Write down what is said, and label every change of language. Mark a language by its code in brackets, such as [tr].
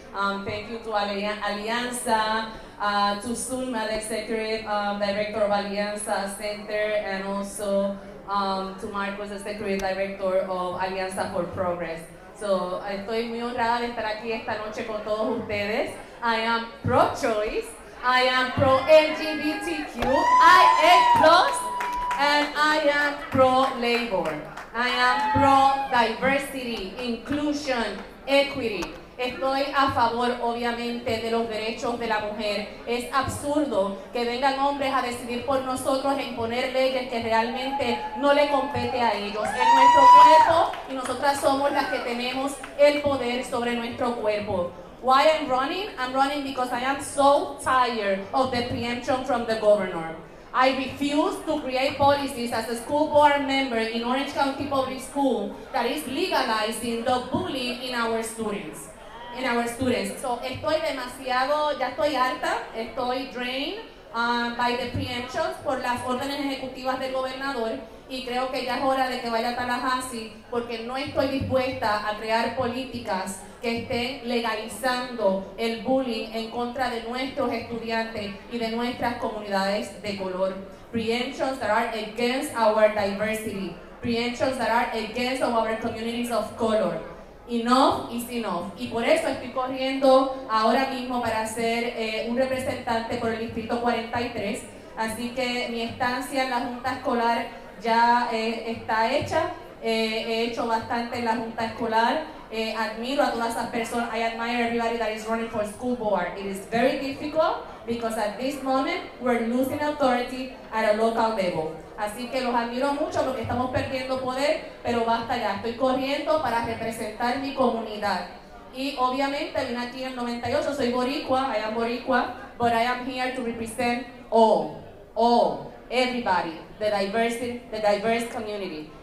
[en] Thank you to Alianza, to Zulma, the Executive Director of Alianza Center, and also to Marcos, the Executive Director of Alianza for Progress. [es] So, estoy muy honrada de estar aquí esta noche con todos ustedes. [en] I am pro-choice. I am pro-LGBTQ, IA+, and I am pro-labor. I am pro-diversity, inclusion, equity. [es] Estoy a favor, obviamente, de los derechos de la mujer. Es absurdo que vengan hombres a decidir por nosotros e imponer leyes que realmente no le compete a ellos. Es nuestro cuerpo y nosotras somos las que tenemos el poder sobre nuestro cuerpo. [en] Why I'm running? I'm running because I am so tired of the preemption from the governor. I refuse to create policies as a school board member in Orange County Public School that is legalizing the bullying in our students. [es] So, estoy demasiado, ya estoy harta, estoy [en] drained by the preemptions [es] por las órdenes ejecutivas del gobernador. Y creo que ya es hora de que vaya a Tallahassee porque no estoy dispuesta a crear políticas que estén legalizando el bullying en contra de nuestros estudiantes y de nuestras comunidades de color. [en] Preemptions that are against our diversity. Preemptions that are against our communities of color. Enough is enough. [es] Y por eso estoy corriendo ahora mismo para ser un representante por el Distrito 43. Así que mi estancia en la Junta Escolar ya está hecha. He hecho bastante en la Junta Escolar. Admiro a todas esas personas. [en] I admire everybody that is running for school board. It is very difficult because at this moment we're losing authority at a local level. [es] Así que los admiro mucho porque estamos perdiendo poder, pero basta ya. Estoy corriendo para representar mi comunidad. Y obviamente vine aquí en el 98, soy boricua, [en] I am boricua, but I am here to represent all, everybody. The diverse community.